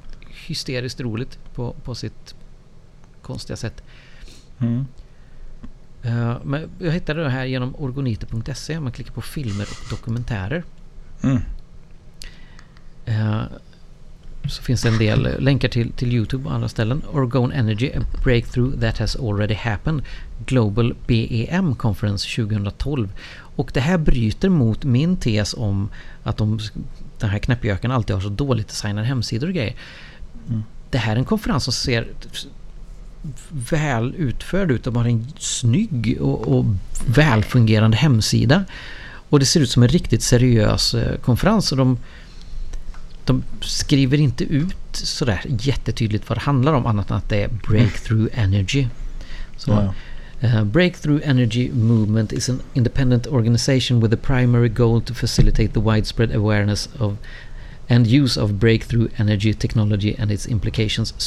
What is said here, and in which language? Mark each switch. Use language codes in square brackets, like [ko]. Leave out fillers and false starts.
[sv] Hysteriskt roligt på sitt konstiga sätt. Men jag hittade det här genom organiter.se. Man klickar på filmer och dokumentärer. Så finns det en del länkar till YouTube och andra ställen. [en] Orgone Energy, a breakthrough that has already happened. Global BEM conference 2012. [sv] Och det här bryter mot min tes om att den här knäppjöken alltid har så dåligt designade hemsidor och grejer. Det här är en konferens som ser väl utförd ut. De har en snygg och välfungerande hemsida. Och det ser ut som en riktigt seriös konferens. Och de skriver inte ut sådär jättetydligt vad det handlar om, annat än att det är Breakthrough Energy. [en] Så, Breakthrough Energy Movement is an independent organization with a primary goal to facilitate the widespread awareness of and use of breakthrough energy technology and its implications.